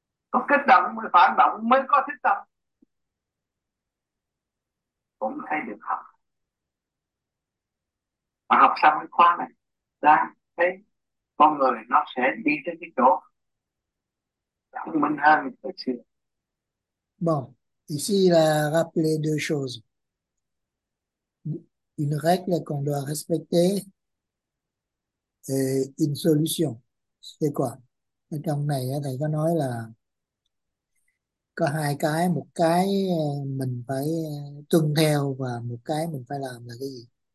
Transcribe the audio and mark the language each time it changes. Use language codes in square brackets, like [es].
[vi] Có kích động mới phản động mới có thích tâm. Cũng thấy được học. Mà học xong cái khóa này ra thấy con người nó sẽ đi tới cái chỗ thông minh hơn hồi xưa. [fr] Bon, ici il a rappelé deux choses. Une règle qu'on doit respecter et une solution. C'est quoi? [vi] Ở trong này thầy có nói là có hai cái, một cái mình phải tuân theo và một cái mình phải làm là cái gì?